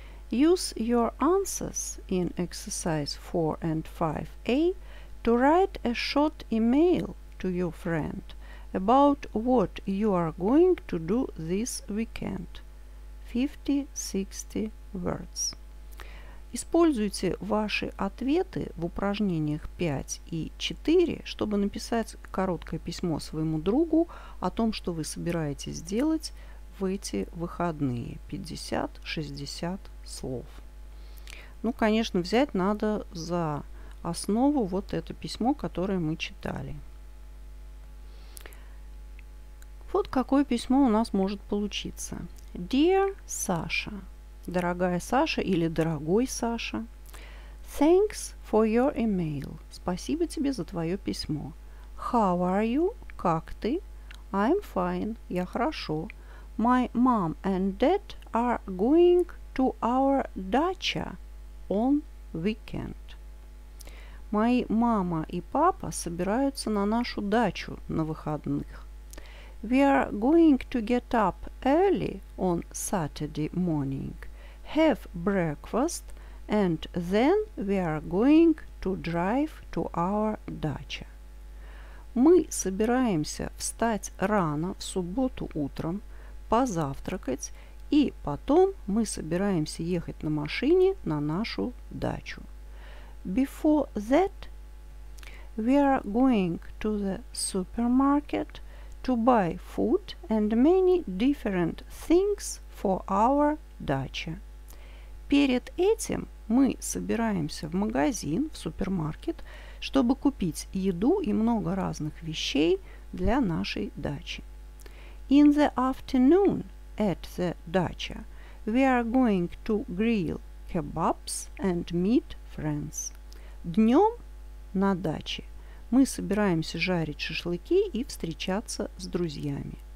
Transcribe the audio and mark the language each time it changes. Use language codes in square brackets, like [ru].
[en] Use your answers in exercise 4 and 5A to write a short email to your friend about what you are going to do this weekend. 50-60 words. [ru] Используйте ваши ответы в упражнениях 5 и 4, чтобы написать короткое письмо своему другу о том, что вы собираетесь делать в эти выходные. 50-60 слов. Ну, конечно, взять надо за основу вот это письмо, которое мы читали. Вот какое письмо у нас может получиться. [en] Dear Sasha. [ru] Дорогая Саша или дорогой Саша. [en] Thanks for your email. [ru] Спасибо тебе за твое письмо. [en] How are you? [ru] Как ты? [en] I'm fine. [ru] Я хорошо. [en] My mom and dad are going to our dacha on weekend. [ru] Мои мама и папа собираются на нашу дачу на выходных. [en] We are going to get up early on Saturday morning, have breakfast, and then we are going to drive to our dacha. [ru] Мы собираемся встать рано в субботу утром, позавтракать, и потом мы собираемся ехать на машине на нашу дачу. [en] Before that, we are going to the supermarket to buy food and many different things for our dacha. [ru] Перед этим мы собираемся в магазин, в супермаркет, чтобы купить еду и много разных вещей для нашей дачи. [en] In the afternoon at the dacha, we are going to grill kebabs and meet friends. [ru] Днем на даче мы собираемся жарить шашлыки и встречаться с друзьями.